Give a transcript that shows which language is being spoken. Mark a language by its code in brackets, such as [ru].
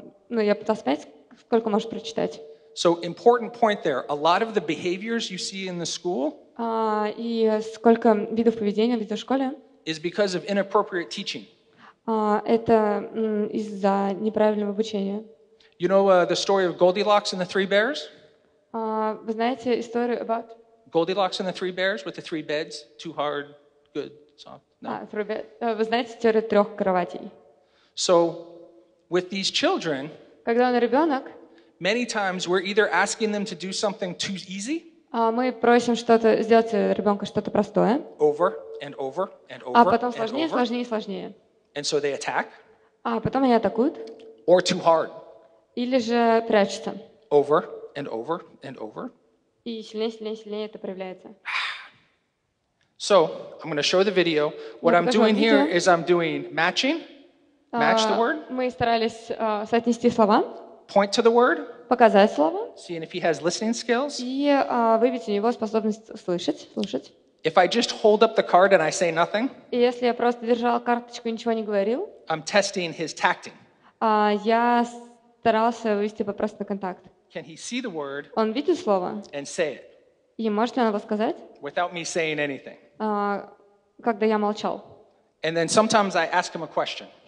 [ru] Я пытался понять, сколько может прочитать. [en] So important point there. A lot of the behaviors you see in the school. [ru] И сколько видов поведения видишь в школе? [en] Is because of inappropriate teaching. [ru] Это из-за неправильного обучения. [en] You know the story of Goldilocks and the three bears? [ru] Вы знаете историю [en] about? Goldilocks and the three bears with the three beds, too hard, good, soft. No. [ru] Вы знаете теорию трех кроватей? [en] So, with these children, [ru] когда он ребенок, [en] many times we're either asking them to do something too easy, [ru] мы просим что-то сделать ребенка что-то простое, [en] over and over and over, [ru] а потом сложнее, [en] and over, [ru] сложнее, сложнее, [en] and so they attack, [ru] а потом они атакуют, [en] or too hard, [ru] или же прячутся, [en] over and over and over, [ru] и сильнее, сильнее, сильнее это проявляется. [en] So, I'm going to show the video. What I'm doing here is I'm doing matching. Match the word. [ru] Мы старались соотнести слова. [en] Point to the word. [ru] показать слово. [en] See, and if he has listening skills. [ru] И выявить у него способность слышать, слушать. [en] If I just hold up the card and I say nothing. [ru] Если я просто держал карточку и ничего не говорил. [en] I'm testing his tacting. [ru] Я старался вывести вопрос на контакт. [en] Can he see the word? [ru] Он видит слово? [en] And say it. [ru] И может ли он его сказать? [en] Without me saying anything. [ru] Когда я молчал. [en] And then sometimes I ask him a question.